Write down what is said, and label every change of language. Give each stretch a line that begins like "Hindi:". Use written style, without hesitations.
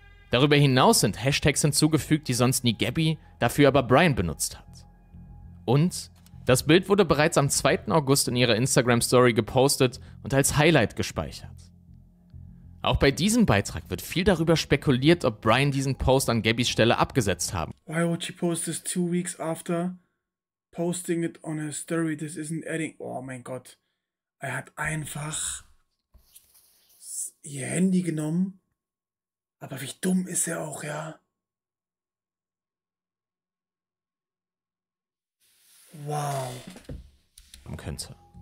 German: Darüber hinaus sind Hashtags hinzugefügt, die sonst nie Gabby, dafür aber Brian benutzt hat. Und das Bild wurde bereits am 2. August in ihrer Instagram-Story gepostet und als Highlight gespeichert. Auch bei diesem Beitrag wird viel darüber spekuliert, ob Brian diesen Post an Gabbys Stelle abgesetzt haben.
English: Why would she post this 2 weeks after posting it on her story? This isn't adding...
German: Oh mein Gott. Er hat einfach ihr Handy genommen. Aber wie dumm ist er auch, ja? Wow. Könnte.